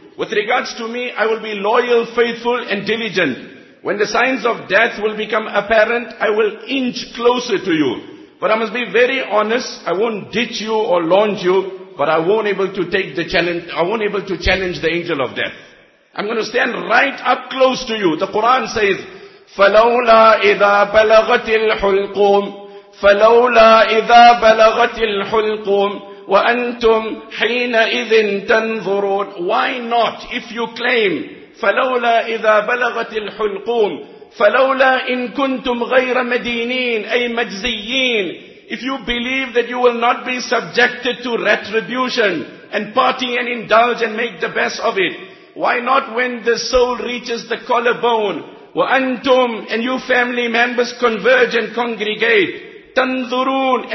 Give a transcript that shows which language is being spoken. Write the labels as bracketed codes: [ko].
[en] With regards to me, I will be loyal, faithful and diligent. When the signs of death will become apparent, I will inch closer to you. But I must be very honest, I won't ditch you or launch you, but I won't able to take the challenge, I won't able to challenge the angel of death. I'm going to stand right up close to you. The Quran says, [ar] فَلَوْلَا إِذَا بَلَغَتِ الْحُلْقُومِ فَلَوْلَا إِذَا بَلَغَتِ الْحُلْقُومِ وَأَنْتُمْ حِينَئِذٍ تَنْظُرُونَ. [en] Why not? If you claim, [ar] فَلَوْلَا إِذَا بَلَغَتِ الْحُلْقُومِ فَلَوْلَا إِن كُنْتُمْ غَيْرَ مَدِينِينَ أَيْ مَجْزِيِّينَ. [en] If you believe that you will not be subjected to retribution and party and indulge and make the best of it, why not when the soul reaches the collarbone? [ar] وَأَنْتُمْ. [en] And you family members converge and congregate. [ar] تَنْظُرُونَ.